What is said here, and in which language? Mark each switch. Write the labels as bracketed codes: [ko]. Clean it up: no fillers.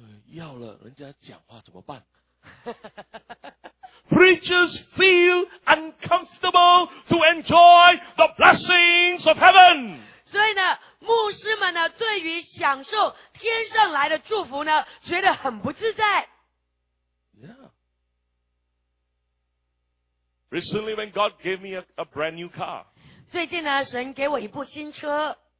[zh] 要了人家讲话怎么办 [en] Preachers feel uncomfortable to enjoy the blessings of heaven. [zh] 所以呢牧师们呢对于享受天上来的祝福呢觉得很不自在。 [en] Yeah. Recently when God gave me a brand new car. [zh] 最近呢神给我一部新车。